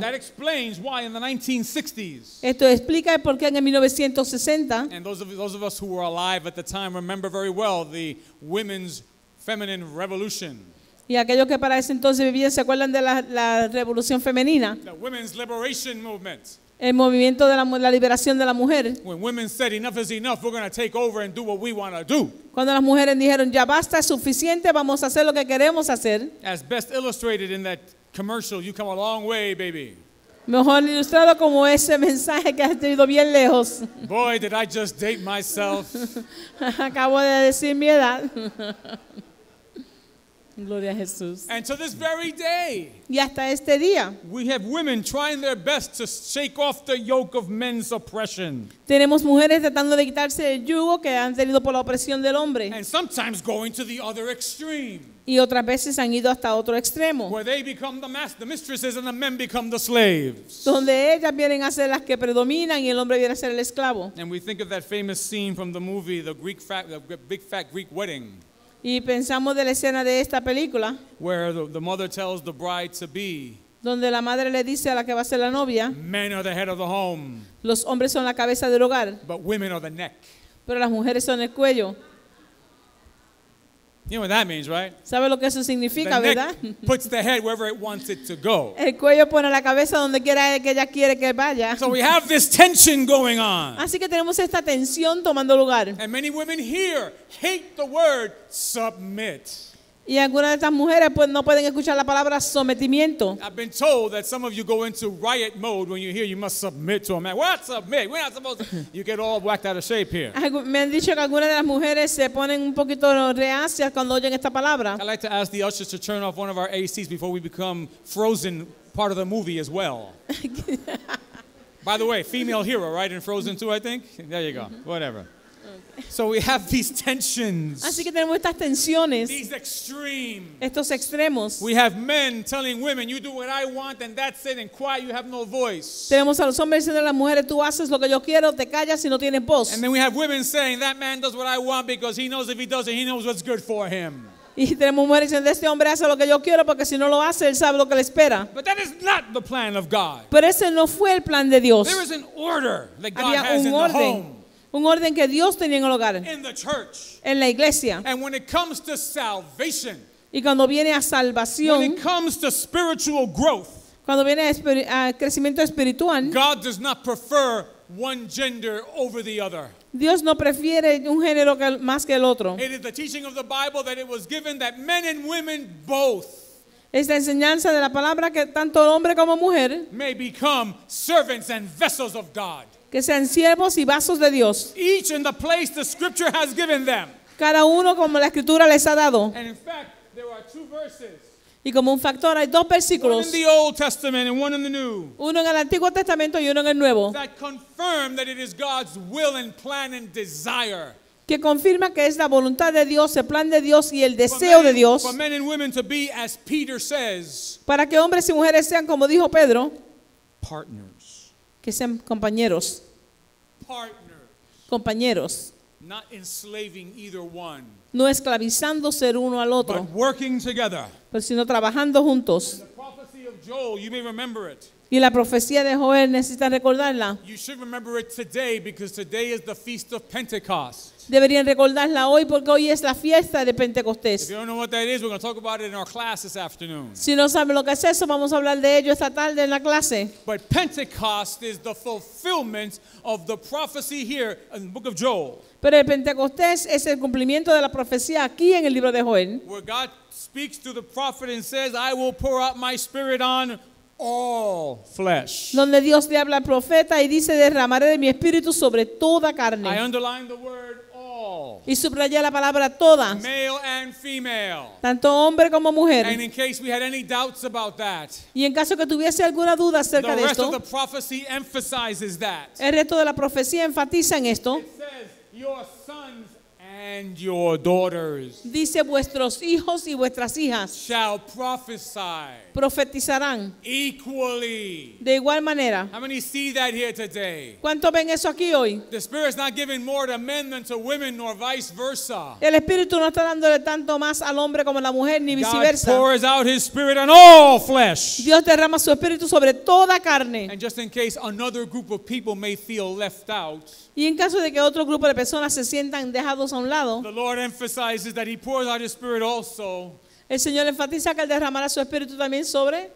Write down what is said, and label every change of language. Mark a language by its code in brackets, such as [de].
[en] That explains why in the 1960s. [es] Esto explica por qué en 1960. [en] And those of us who were alive at the time remember very well the women's feminine revolution. [es] Y aquellos que para ese entonces vivían se acuerdan de la revolución femenina. [en] The women's liberation movement. [es] El movimiento de la liberación de la mujer. [en] When women said enough is enough, we're going to take over and do what we want to do. [es] Cuando las mujeres dijeron ya basta, es suficiente, vamos a hacer lo que queremos hacer. [en] As best illustrated in that commercial, you come a long way, baby. [es] Mejor ilustrado como ese mensaje que has tenido bien lejos. [en] Boy, did I just date myself. [es] Acabo de decir mi edad. Gloria a Jesús. [en] And to this very day, [es] y hasta este día, [en] we have women trying their best to shake off the yoke of men's oppression. [es] Tenemos mujeres tratando de quitarse el yugo que han tenido por la opresión del hombre. [en] And sometimes going to the other extreme. [es] Y otras veces han ido hasta otro extremo. [en] Where they become the master, the mistresses, and the men become the slaves. [es] Donde ellas vienen a ser las que predominan y el hombre viene a ser el esclavo. [en] And we think of that famous scene from the movie, the big fat Greek wedding. [es] Y pensamos de la escena de esta película. [en] Where the mother tells the bride to be. [es] Donde la madre le dice a la que va a ser la novia. [en] Men are the head of the home. [es] Los hombres son la cabeza del hogar. [en] But women are the neck. [es] Pero las mujeres son el cuello. [en] You know what that means, right? [es] ¿Sabe lo que eso significa, [en] the [es] verdad? [en] Neck puts the head wherever it wants it to go. [es] El cuello pone la cabeza donde quiera que ella quiere que vaya. [en] So we have this tension going on. [es] Así que tenemos esta tensión tomando lugar. [en] And many women here hate the word submit. [es] Y algunas de estas mujeres pues no pueden escuchar la palabra sometimiento. [en] I've been told that some of you go into riot mode when you hear you must submit to a man. What submit? We're not supposed to. You get all whacked out of shape here. [es] Me han dicho que algunas de las mujeres se ponen un poquito reacias cuando oyen esta palabra. [en] I'd like to ask the ushers to turn off one of our ACs before we become frozen part of the movie as well. By the way, female hero, right? In Frozen 2, I think. There you go. Whatever. So we have these tensions. [es] Así que tenemos estas tensiones. [en] These extremes. [es] Estos extremos. [en] We have men telling women, "You do what I want, and that's it. And quiet, you have no voice." [es] Tenemos a los hombres diciendo a las mujeres, "Tú haces lo que yo quiero, te callas y no tienes voz." [en] And then we have women saying, "That man does what I want because he knows if he does it, he knows what's good for him." [es] Y tenemos mujeres diciendo, "Este hombre hace lo que yo quiero porque si no lo hace, él sabe lo que le espera." [en] But that is not the plan of God. [es] Pero ese no fue el plan de Dios. [en] There is an order that God [es] Había [en] has [es] un [en] in [es] orden. [en] The home. [es] Un orden que Dios tenía en el hogar. [en] In the church. [es] En la iglesia. [en] And when it comes to salvation. [es] Y cuando viene a salvación. [en] When it comes to spiritual growth. [es] Cuando viene a crecimiento espiritual. [en] God does not prefer one gender over the other. [es] Dios no prefiere un género más que el otro. [en] It is the teaching of the Bible that it was given that men and women both. [es] Es la enseñanza de la palabra que tanto hombre como mujer. [en] May become servants and vessels of God. [es] Que sean siervos y vasos de Dios. [en] Each in the place the scripture has given them. [es] Cada uno como la escritura les ha dado. [en] And in fact, there are two verses. [es] Y como un factor hay dos versículos. [en] One in the Old Testament and one in the New. [es] Uno en el Antiguo Testamento y uno en el Nuevo. [en] That confirm that it is God's will and plan and desire. [es] Que confirma que es la voluntad de Dios, el plan de Dios y el deseo de Dios. [en] For men and women to be as Peter says. [es] Para que hombres y mujeres sean como dijo Pedro. [en] Partners. [es] Que sean compañeros. [en] Partners. [es] Compañeros. [en] Not enslaving either one. [es] No esclavizándose el uno al otro. [en] But working together. [es] Pero sino trabajando juntos. [en] And the prophecy of Joel, you may remember it. [es] Y la profecía de Joel, necesitan recordarla. [en] You should remember it today because today is the feast of Pentecost. [es] Deberían recordarla hoy porque hoy es la fiesta de Pentecostés. [en] If you don't know what that is, we're going to talk about it in our class this afternoon. [es] Si no saben lo que es eso, vamos a hablar de ello esta tarde en la clase. [en] But Pentecost is the fulfillment of the prophecy here in the book of Joel. [es] Pero el Pentecostés es el cumplimiento de la profecía aquí en el libro de Joel. [en] Where God speaks to the prophet and says, "I will pour out my spirit on all flesh." [es] Donde Dios le habla al profeta y dice, "Derramaré de mi espíritu sobre toda carne." [en] I underline the word [es] y subrayé la palabra todas, [en] male and female, [es] tanto hombre como mujer. [en] And in case we had any doubts about that, [es] y en caso que tuviese alguna duda acerca [en] the rest [es] de esto, [en] of the prophecy emphasizes that. [es] El resto de la profecía enfatiza en esto. [en] It says, "Your sons and your daughters," [es] dice, "vuestros hijos y vuestras hijas [en] shall prophesy," [es] profetizarán [en] "equally," [es] de igual manera. [en] How many see that here today? [es] ¿Cuánto ven eso aquí hoy? [en] The Spirit is not giving more to men than to women, nor vice versa. [es] El Espíritu no está dándole tanto más al hombre como a la mujer, ni viceversa. [en] God pours out His Spirit on all flesh. [es] Dios derrama su Espíritu sobre toda carne. [en] And just in case another group of people may feel left out, [es] y en caso de que otro grupo de personas se sientan dejados a un lado, [en] the Lord emphasizes that He pours out His Spirit also. [es] El Señor enfatiza que Él derramará su espíritu también sobre